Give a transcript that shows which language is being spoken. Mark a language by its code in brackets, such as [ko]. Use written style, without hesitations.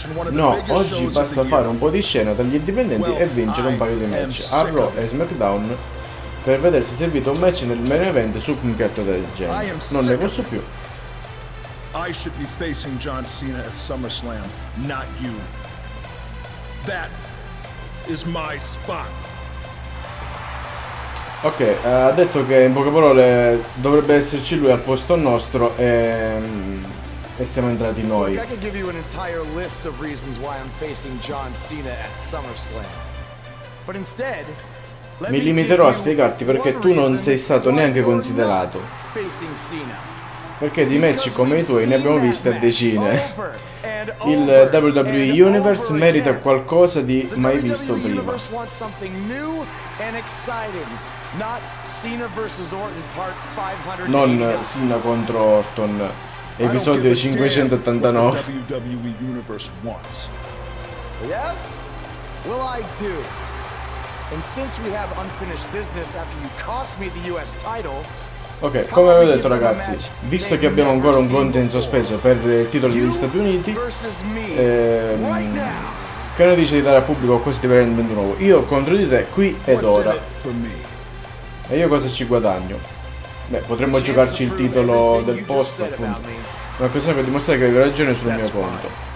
[it] No, oggi basta fare un po' di scena tra gli indipendenti e vincere un paio di match a Raw e SmackDown. Per vedere se è servito un match nel main event su un piatto del genere. Non ne posso più. [en] I should be facing John Cena at SummerSlam, not you. That is my spot. [it] Ok, ha detto che in poche parole dovrebbe esserci lui al posto nostro e siamo entrati noi. [en] Look, I can give you an entire list of reasons why I'm facing John Cena at SummerSlam. But instead, [it] mi limiterò a spiegarti perché tu non sei stato neanche considerato. Perché di match come i tuoi ne abbiamo viste decine. Il WWE Universe merita qualcosa di mai visto prima. Non Cena contro Orton, episodio 589. [en] And since we have unfinished business after you cost me the US title. [it] Ok, come avevo detto ragazzi, visto che abbiamo ancora un conto in sospeso per il titolo degli Stati Uniti, che ne dici di dare a pubblico questo divertimento nuovo? Io contro di te qui ed ora. E io cosa ci guadagno? Beh, potremmo giocarci il titolo del posto, appunto. Una questione per dimostrare che avevi ragione sul mio conto.